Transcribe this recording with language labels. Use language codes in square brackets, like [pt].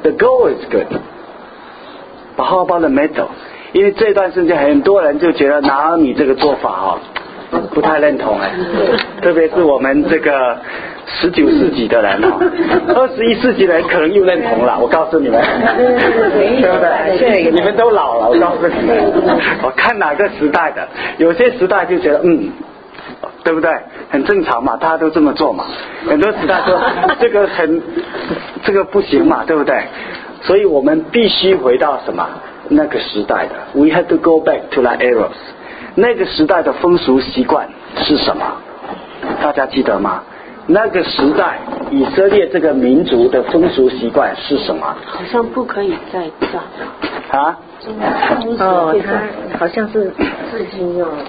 [en] The goal is good， but how about the method？ [zh] 因为这段时间很多人就觉得拿你这个做法哈、哦，不太认同哎，特别是我们这个十九世纪的人哈、哦，二十一世纪的人可能又认同了。我告诉你们，对不对？你们都老了，我告诉你们，我看哪个时代的，有些时代就觉得嗯，对不对？很正常嘛，大家都这么做嘛。很多时代说这个很这个不行嘛，对不对？所以我们必须回到什么？那个时代的。 [en] We had to go back to the eras。 [zh] 那个时代的风俗习惯是什么？大家记得吗？那个时代以色列这个民族的风俗习惯是什么？好像不可以再造。啊？哦，他好像是至今要